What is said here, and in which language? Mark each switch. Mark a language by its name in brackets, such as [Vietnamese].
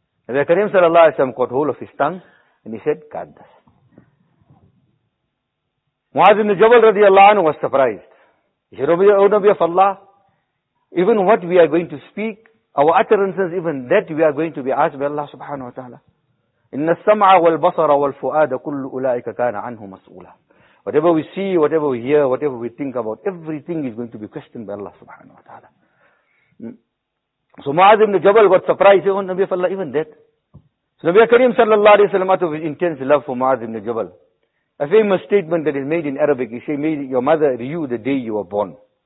[English] Nabi Kareem sallallahu alayhi wa sallam caught hold of his tongue and he said, guard this. Mu'adh ibn Jabal radiallahu anhu was surprised. He said, oh Nabi of Allah, even what we are going to speak, our utterances, even that we are going to be asked by Allah subhanahu wa ta'ala. [Arabic] إِنَّ السَّمْعَ وَالْبَصَرَ وَالْفُؤَادَ كُلُّ أُولَٰئِكَ كَانَ عَنْهُ مَسْئُولًا. [English] Whatever we see, whatever we hear, whatever we think about, everything is going to be questioned by Allah subhanahu wa ta'ala. So Mu'adh ibn Jabal got surprised. Oh, Nabi of Allah, even that. So Nabi Kareem sallallahu alayhi wa sallam, out of his intense love for Mu'adh ibn Jabal, a famous statement that is made in Arabic, he say, may your mother rue you the day you were born.